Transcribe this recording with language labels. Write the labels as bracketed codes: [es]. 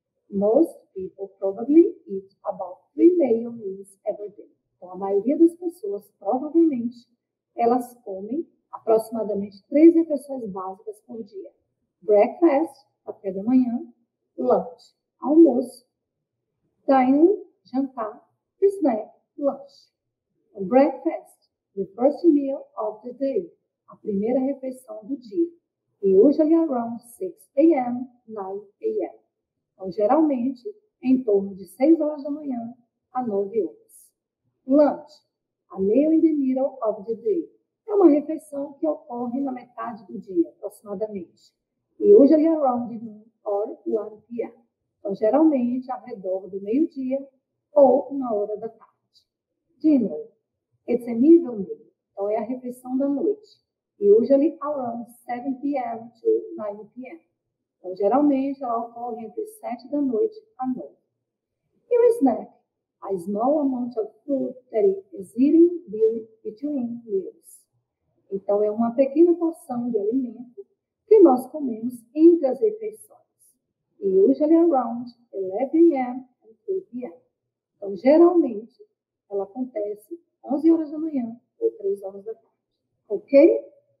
[en] Most people probably eat about 3 meal meals every day. [pt] Então, a maioria das pessoas, provavelmente, elas comem aproximadamente 3 refeições básicas por dia. [en] Breakfast, [pt] café da manhã, [en] lunch, almoço, dining, jantar, snack, lunch. Então, breakfast, the first meal of the day, [pt] a primeira refeição do dia. [en] E usually around 6 a.m., 9 a.m. [pt] Então, geralmente, em torno de 6 horas da manhã a 9 horas. [en] Lunch, a meal in the middle of the day. [pt] É uma refeição que ocorre na metade do dia, aproximadamente. [en] E usually around noon or 1 p.m. [pt] Então, geralmente, ao redor do meio-dia ou uma hora da tarde. [en] Dinner. It's an evening meal. [pt] Então, é a refeição da noite. [en] Usually around 7 p.m. to 9 p.m. [pt] Então, geralmente, ela ocorre entre 7 da noite à noite. E o snack. [en] A small amount of food that is eaten between meals. [pt] Então, é uma pequena porção de alimento que nós comemos entre as refeições. [en] Usually around 11 a.m. and 3 p.m. [pt] Então, geralmente, ela acontece 11 horas da manhã ou 3 horas da tarde. Ok?